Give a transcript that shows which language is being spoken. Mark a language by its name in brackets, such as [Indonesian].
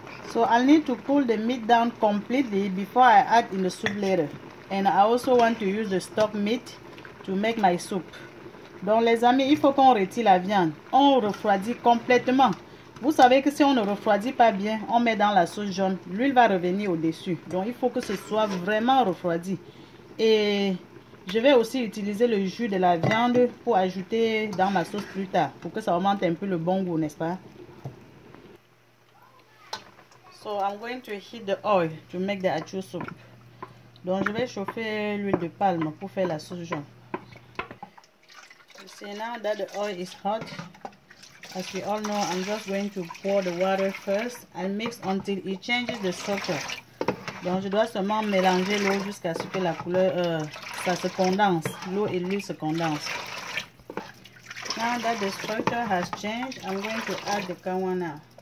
[English] So I need to cool the meat down completely before I add in the soup later. And I also want to use the stock meat to make my soup. [French] Donc les amis, il faut qu'on retire la viande. On refroidit complètement. Vous savez que si on ne refroidit pas bien, on met dans la sauce jaune, l'huile va revenir au-dessus. Donc il faut que ce soit vraiment refroidi. Et je vais aussi utiliser le jus de la viande pour ajouter dans ma sauce plus tard, pour que ça augmente un peu le bon goût, n'est-ce pas? [English] So I'm going to heat the oil to make the achu soup. [French] Donc je vais chauffer l'huile de palme pour faire la sauce jaune. [English] See now that the oil is hot, as we all know, I'm just going to pour the water first and mix until it changes the structure. [French] Donc je dois seulement mélanger l'eau jusqu'à ce que la couleur ça se condense, l'eau et l'huile se condensent. [English] Now that the structure has changed, I'm going to add the kawana.